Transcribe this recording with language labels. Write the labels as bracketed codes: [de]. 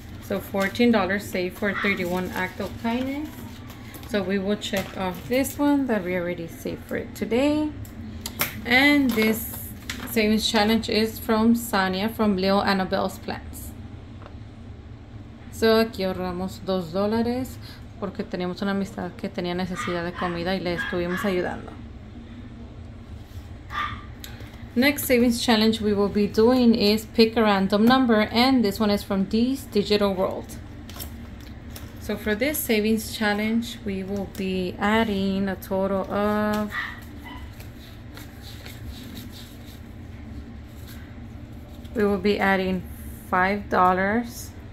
[en] So $14 saved for 31 act of kindness. So we will check off this one that we already saved for it today. And this savings challenge is from Sanya from Leo Annabelle's Plants. [es] So aquí ahorramos $2 porque teníamos una amistad que tenía necesidad de comida y le estuvimos ayudando. [en] Next savings challenge we will be doing is pick a random number, and this one is from Dee's Digital World. So for this savings challenge, we will be adding a total of $5.